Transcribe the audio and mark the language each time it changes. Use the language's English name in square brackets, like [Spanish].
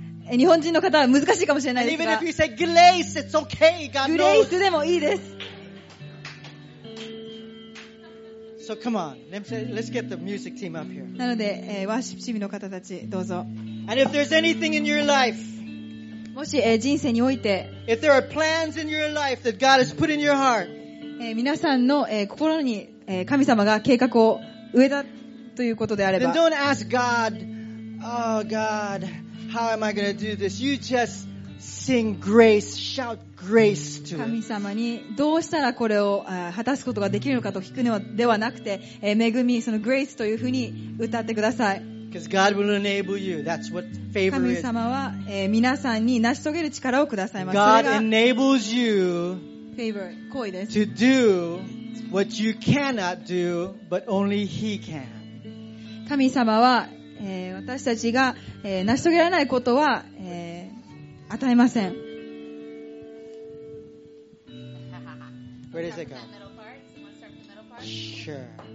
[Japanese] 日本人の方は難しいかもしれないですが。 [English] And even if you say grace, it's okay, God knows. [Japanese] Grace でもいいです。 [English] So come on, let's get the music team up here. [Japanese] なので、ワーシップチームの方たち、どうぞ。 [English] And if there's anything in your life, [Japanese] もし人生において [English] If there are plans in your life that God has put in your heart, [Japanese] 皆さんの心に神様が計画を植えたということであれば [English] Then don't ask God, oh God, how am I going to do this? You just sing grace, shout grace to it. [Japanese] 神様にどうしたらこれを果たすことができるのかと聞くのではなくて恵み、その grace というふうに歌ってください。 [English] Because God will enable you. That's what favor is. [Japanese] 神様は、皆さんに成し遂げる力をくださいます。 [English] God enables you [Japanese] favor, 行為です。 [English] to do what you cannot do, but only He can. [Japanese] 神様は、私たちが、成し遂げられないことは、与えません。 [English] Where does it go? Sure.